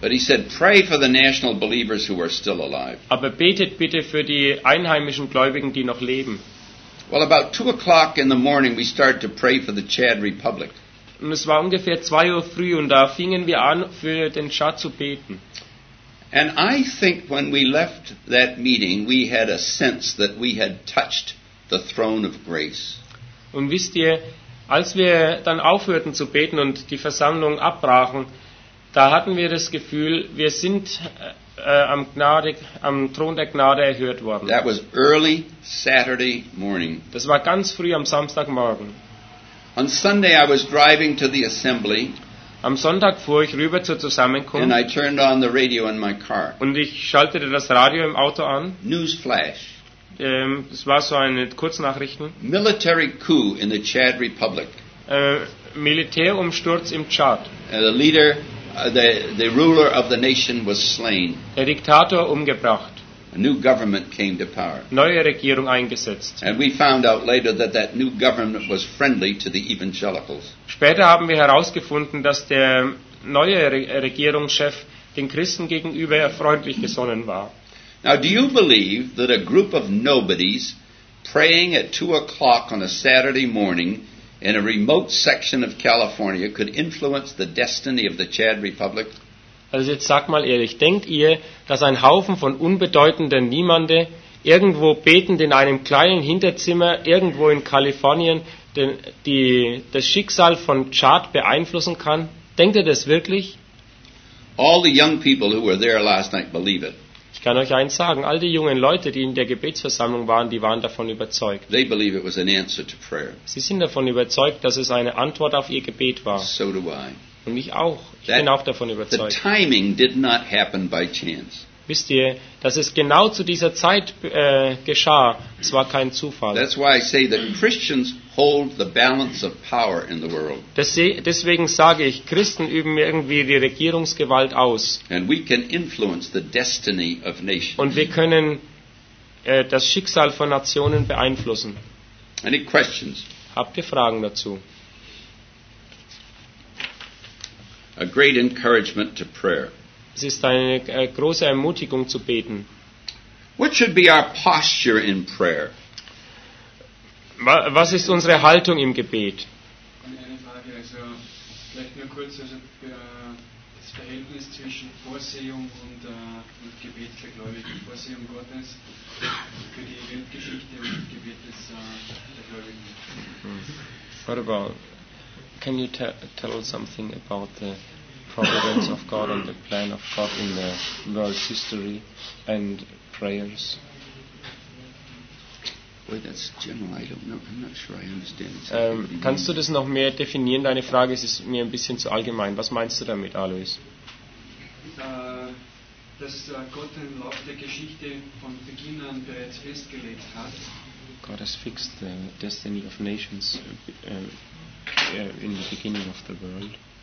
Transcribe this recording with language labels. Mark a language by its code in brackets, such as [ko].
[en] But he said, pray for the national believers who are still alive. [de] Aber betet bitte für die einheimischen Gläubigen, die noch leben. [en] Well, about 2 o'clock in the morning, we started to pray for the Chad Republic. [de] Und es war ungefähr 2 Uhr früh und da fingen wir an, für den Chad zu beten. [en] And I think when we left that meeting, we had a sense that we had touched the throne of grace. [de] Und wisst ihr, als wir dann aufhörten zu beten und die Versammlung abbrachen, da hatten wir das Gefühl, wir sind am Thron der Gnade erhört worden. [en] That was early Saturday morning. [de] Das war ganz früh am Samstagmorgen. [en] On Sunday I was driving to the assembly. [de] Am Sonntag fuhr ich rüber zur Zusammenkunft. [en] And I turned on the radio in my car. [de] Und ich schaltete das Radio im Auto an. [en] Newsflash. [de] Es war so eine Kurznachrichten. [en] Military coup in the Chad Republic. [de] Militärumsturz im Chad. [en] The ruler of the nation was slain. [de] Der Diktator umgebracht. [en] A new government came to power. [de] Neue Regierung eingesetzt. [en] And we found out later that new government was friendly to the evangelicals. [de] Später haben wir herausgefunden, dass der neue Regierungschef den Christen gegenüber freundlich gesonnen war. [en] Now, do you believe that a group of nobodies praying at 2 o'clock on a Saturday morning in a remote section of California could influence the destiny of the Chad Republic? [de] Also jetzt sag mal ehrlich, denkt ihr, dass ein Haufen von unbedeutenden Niemanden irgendwo betend in einem kleinen Hinterzimmer irgendwo in Kalifornien das Schicksal von Chad beeinflussen kann? Denkt ihr das wirklich? [en] All the young people who were there last night believe it. [de] Ich kann euch eins sagen, all die jungen Leute, die in der Gebetsversammlung waren, die waren davon überzeugt. [en] They believe it was an answer to prayer. [de] Sie sind davon überzeugt, dass es eine Antwort auf ihr Gebet war. [en] So do I. [de] Und ich auch. Ich bin auch davon überzeugt. [en] The timing did not happen by chance. [de] Wisst ihr, dass es genau zu dieser Zeit geschah, es war kein Zufall. [en] That's why I say that Christians hold the balance of power in the world. [de] Deswegen sage ich, Christen üben irgendwie die Regierungsgewalt aus. [en] And we can influence the destiny of nations. [de] Und wir können das Schicksal von Nationen beeinflussen. [en] Any questions? [de] Habt ihr Fragen dazu? [en] A great encouragement to prayer. [de] Es ist eine große Ermutigung zu beten. [en] What should be our posture in prayer? [de] Was ist unsere Haltung im Gebet? Eine Frage, also vielleicht nur kurz, also das Verhältnis zwischen Vorsehung und Gebet für Gläubigen. Vorsehung Gottes für die Weltgeschichte und Gebet des der Gläubigen. [en] What about, can you tell something about the providence of God and the plan of God in the world's history and prayers? Wait, that's general. I don't know. I'm not sure I understand. [de] Kannst du das noch mehr definieren? Deine Frage ist mir ein bisschen zu allgemein. Was meinst du damit, Alois? Dass Gott im Laufe der Geschichte von Beginn an bereits festgelegt hat. [en] God has fixed the destiny of nations in the beginning of the world.